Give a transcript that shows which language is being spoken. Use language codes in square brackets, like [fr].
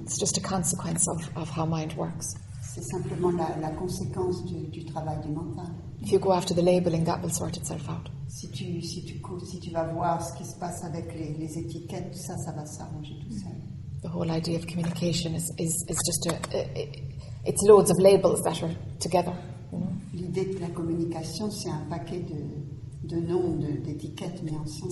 [en] It's just a consequence of how mind works. [fr] C'est simplement la conséquence du travail du mental. [en] If you go after the labeling, that will sort itself out. [fr] Si tu vas voir ce qui se passe avec les étiquettes, tout ça, ça va s'arranger tout seul. [en] The whole idea of communication is just it's loads of labels that are together. You know? [fr] L'idée de la communication, c'est un paquet de noms, d'étiquettes mis ensemble.